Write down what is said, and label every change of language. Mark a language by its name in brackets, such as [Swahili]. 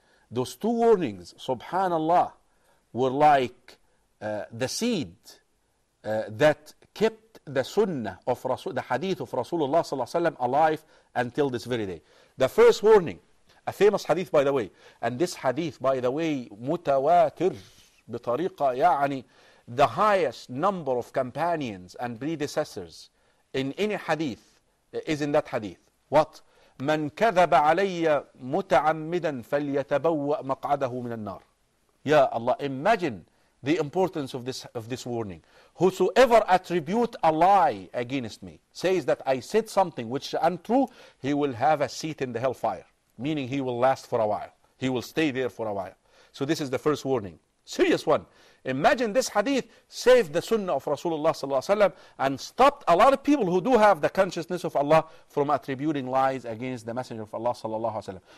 [English] Those two warnings, subhanallah, were like the seed that kept the sunnah of Rasul, the hadith of Rasulullah sallallahu alaihi wasallam alive until this very day. The first warning, a famous hadith by the way, and this hadith by the way, mutawatir bitariqa ya'ani, the highest number of companions and predecessors in any hadith is in that hadith. What? [Arabic] من كذب علي متعمدا فليتبوأ مقعده من النار. [English] Ya Allah, imagine the importance of this warning. Whosoever attribute a lie against me, says that I said something which is untrue, he will have a seat in the hellfire. Meaning he will last for a while. He will stay there for a while. So this is the first warning. Serious one. Imagine this hadith saved the sunnah of Rasulullah sallallahu alaihi wasallam and stopped a lot of people who do have the consciousness of Allah from attributing lies against the messenger of Allah sallallahu alaihi wasallam.